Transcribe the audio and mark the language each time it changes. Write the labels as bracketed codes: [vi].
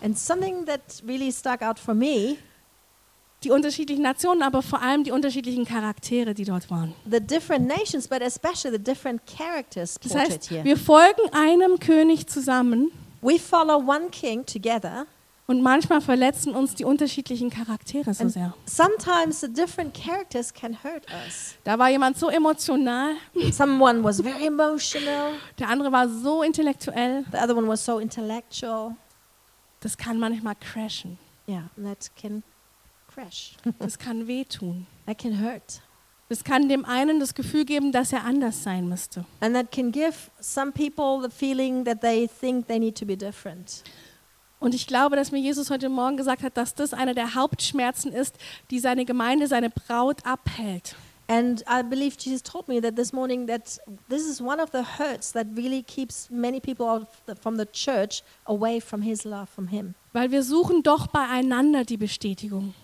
[en] And something that really stuck out for me. [de] Die unterschiedlichen Nationen, aber vor allem die unterschiedlichen Charaktere, die dort waren. [en] The different nations, but especially the different characters portrayed here. [de] Das heißt, wir folgen einem König zusammen. [en] We follow one king together. [de] Und manchmal verletzen uns die unterschiedlichen Charaktere so sehr. [en] Sometimes the different characters can hurt us. [de] Da war jemand so emotional. [en] Someone was very emotional. [de] Der andere war so intellektuell. [en] The other one was so intellectual. [de] Das kann manchmal crashen. [en] Yeah, that can crash. [de] Das kann wehtun. [en] That can hurt. [de] Das kann dem einen das Gefühl geben, dass er anders sein müsste. [en] And that can give some people the feeling that they think they need to be different. [de] Und ich glaube, dass mir Jesus heute Morgen gesagt hat, dass das einer der Hauptschmerzen ist, die seine Gemeinde, seine Braut abhält. [en] And I believe Jesus told me that this morning that this is one of the hurts that really keeps many people from the church away from his love, from him. [de] Weil wir suchen doch beieinander die Bestätigung.